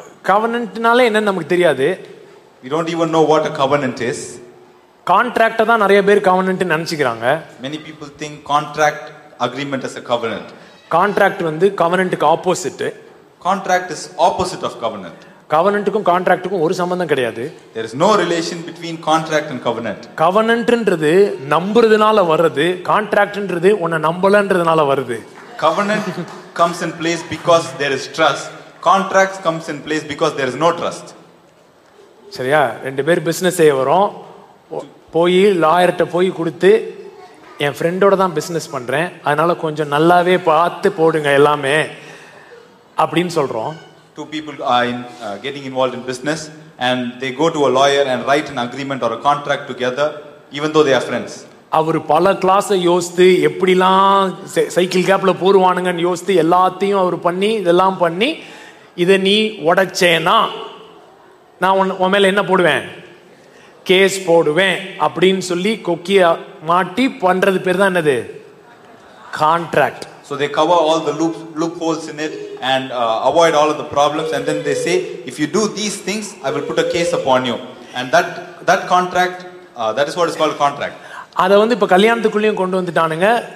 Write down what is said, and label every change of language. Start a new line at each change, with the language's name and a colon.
Tamil: கவர்னன்ட்னாலே என்னன்னு நமக்கு தெரியாது.
English: We don't even know what a covenant is.
Tamil: Contract தான் நிறைய பேர் கவர்னன்ட்னு நினைச்சுக்கிறாங்க.
English: Many people think contract agreement as a covenant.
Tamil: Contract வந்து கவர்னன்ட்க்கு opposite.
English: Contract is opposite of covenant.
Tamil: கவர்னன்ட்க்கும் கான்ட்ராக்ட்க்கும் ஒரு சம்பந்தம் கிடையாது.
English: There is no relation between contract and covenant.
Tamil: கவர்னன்ட்ன்றது நம்புறதுனால வருது, கான்ட்ராக்ட்ன்றது உன்னை நம்பலன்றதுனால வருது.
English: Covenant comes in place because there is trust. Contracts comes in place because there is no trust.
Tamil: சரியா? ரெண்டு பேர் business செய்ய வரோம், போய் lawyer கிட்ட போய் கொடுத்து என் friendோட தான் business பண்றேன் அதனால கொஞ்சம் நல்லாவே பார்த்து போடுங்க எல்லாமே அப்படினு சொல்றோம்.
English: Two people are in, getting involved in business and they go to a lawyer and write an agreement or a contract together even though they are friends.
Tamil: அவர் பல கிளாஸை யோசித்து எப்படிலாம் சைக்கிள் கேப்பில் போடுவானுங்கன்னு யோசித்து எல்லாத்தையும் அவர் பண்ணி இதெல்லாம் பண்ணி இதை நீ உடைச்சேனா நான் உன் மேலே என்ன போடுவேன், கேஸ் போடுவேன் அப்படின்னு சொல்லி கொக்கியை மாட்டி பண்ணுறது பேர் தான் என்னது, contract.
English: So they cover all the loopholes in it and avoid all of the problems, and then they say, if you do these things, I will put a case upon you. And that contract, that is what is called a contract.
Tamil: அதை வந்து இப்ப கல்யாணத்துக்குள்ளேயும் கொண்டு வந்துட்டானுங்க.